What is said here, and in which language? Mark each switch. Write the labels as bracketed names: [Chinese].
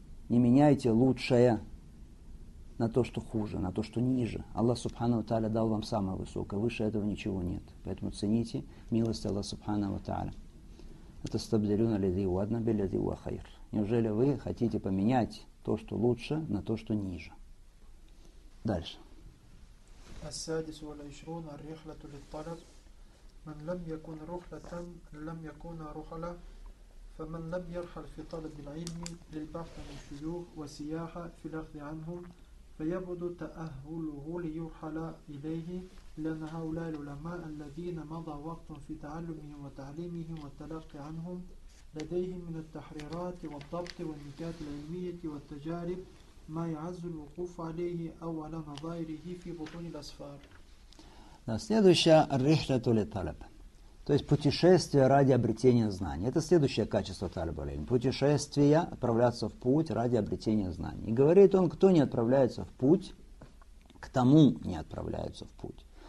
[Russian] не меняйте лучшее на то, что хуже, на то, что ниже. Аллах Субхану Тааля дал вам самое высокое, выше этого ничего нет. Поэтому цените милость Аллаха Субхану Тааля. Это стабдилюна лиди уадна би лиди уахайр. Неужели вы хотите поменять то, что лучше, на то, что ниже? Дальше. [Arabic] السادس والعشرون الرحلة للطلب من لم يكن رحلة لم يكن رحلة فمن لم يرحل في طلب العلم للبحث عن الشيوخ وسياحة في الأخذ عنهم فيبعد تأهله ليرحل إليه لأن هؤلاء العلماء الذين مضى وقت في تعلمهم وتعليمهم والتلقي عنهم لديهم من التحريرات والضبط والنكات العلمية والتجارب ما يعز الوقوف عليه أو على نظائره في بطون الأسفار. [Russian] Да, следующая рихля толи талаб. То есть путешествие ради обретения знаний. Это следующее качество талаба лейм. Путешествие, отправляться в путь ради обретения знаний. И говорит он, кто не отправляется в путь, к тому не отправляются в путь.